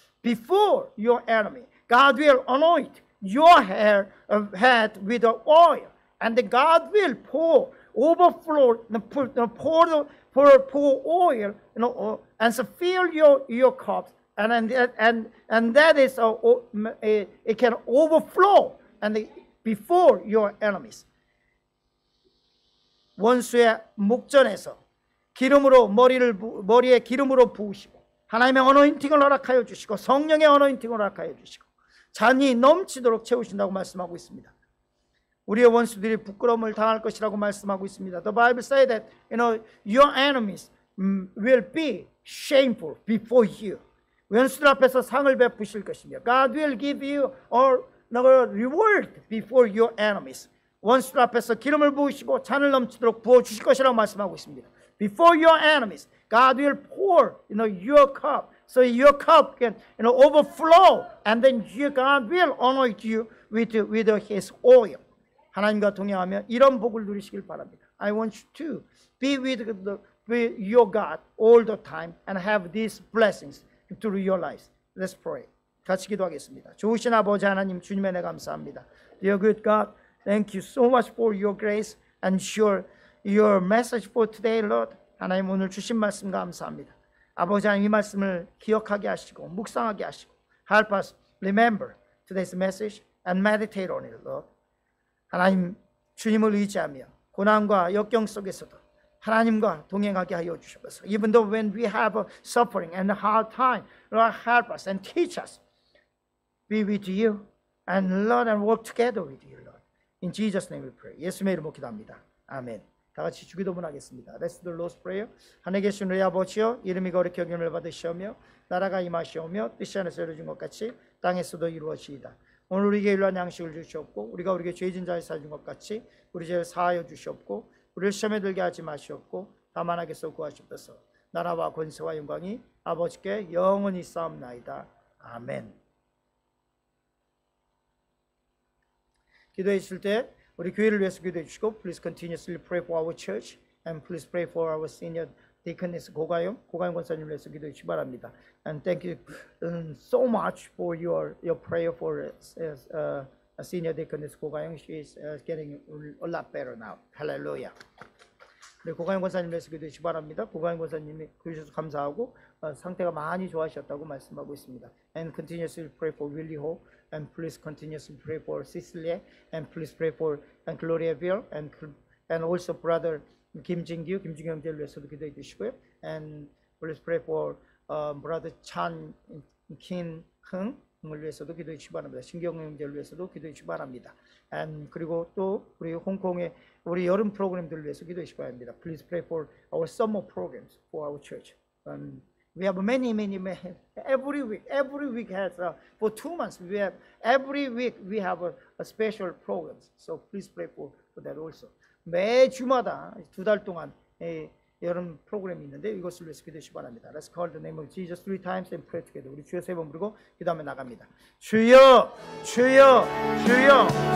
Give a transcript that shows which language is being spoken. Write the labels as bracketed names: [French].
[English] Before your enemy, God will anoint your head with oil, and God will pour oil, and so fill your cups, and that is it can overflow and before your enemies. [Korean] 원수의 목전에서 머리에 기름으로 부으시고 하나님의 어노인팅을 허락하여 주시고 성령의 어노인팅을 허락하여 주시고 잔이 넘치도록 채우신다고 말씀하고 있습니다. 우리의 원수들이 부끄러움을 당할 것이라고 말씀하고 있습니다. [English] The Bible says that you know your enemies will be shameful before you. [Korean] 원수들 앞에서 상을 베푸실 것이며 [English] God will give you a reward before your enemies. [Korean] 원수들 앞에서 기름을 부으시고 잔을 넘치도록 부어 주실 것이라고 말씀하고 있습니다. [English] Before your enemies, God will pour, you know, your cup, so your cup can, you know, overflow, and then God will anoint you with His oil. [Korean] 하나님과 동행하며 이런 복을 누리시길 바랍니다. [English] I want you to be with your God all the time and have these blessings through your lives. Let's pray. [Korean] 같이 기도하겠습니다. 좋으신 아버지 하나님, 주님의 내 감사합니다. [English] Dear good God, thank you so much for your grace and your message for today, Lord. [Korean] 하나님 오늘 주신 말씀 감사합니다. 아버지 하나님 이 말씀을 기억하게 하시고 묵상하게 하시고 [English] Help us remember today's message and meditate on it, Lord. [Korean] 하나님 주님을 의지하며 고난과 역경 속에서도 하나님과 동행하게 하여 주셔서 [English] Even though when we have a suffering and a hard time, Lord, help us and teach us. Be with you and Lord and work together with you, Lord. In Jesus' name we pray. [Korean] 예수의 이름으로 기도합니다. 아멘. 다 같이 주기도문 하겠습니다. [English] That's the Lord's Prayer. [Korean] 하늘에 계신 우리 아버지여 이름이 거룩히 여김을 받으시오며 나라가 임하시오며 뜻이 하늘에서 이루어진 것 같이 땅에서도 이루어지이다. 오늘 우리에게 일용할 양식을 주시옵고 우리가 우리에게 죄진 자에 사준 것 같이 우리 죄를 사하여 주시옵고 우리를 시험에 들게 하지 마시옵고 다만 악에서 구하시옵소서. 나라와 권세와 영광이 아버지께 영원히 쌓옵나이다. 아멘. 기도해 주실 때 우리 교회를 위해서 기도해 주시고 [English] Please continuously pray for our church and please pray for our senior deaconess 고가영 [Korean] 권사님을 위해서 기도해 주시기 바랍니다. [English] And thank you so much for your prayer for a senior deaconess 고가영. She is getting a lot better now. Hallelujah. [Korean] 우리 고가영 권사님을 위해서 기도해 주시기 바랍니다. 고가영 권사님이 그러셔서 감사하고 상태가 많이 좋아하셨다고 말씀하고 있습니다. [English] And continuously pray for Willie Ho. And please continuously pray for Cecily. And please pray for and Gloria Bill. And also brother Kim Jingyu, Kim Jingyu [Korean] 형제를 위해서도 기도해 주시고요. [English] And please pray for brother Chan Kim Hung을 [Korean] 위해서도 기도해 주시기 바랍니다. 신경 형제를 위해서도 기도해 주시기 바랍니다. And 그리고 또 우리 홍콩의 우리 여름 프로그램들을 위해서 기도해 주시기 바랍니다. [English] Please pray for our summer programs for our church. We have many every week has for 2 months we have every week we have a special programs. So please pray for that also. [Korean] 매주마다 두 달 동안 여름 프로그램이 있는데 이것을 위해서 기도하시기 바랍니다. [English] Let's call the name of Jesus 3 times and pray together. [Korean] 우리 주여 세 번 부르고 기도하며 나갑니다. 주여, 주여, 주여.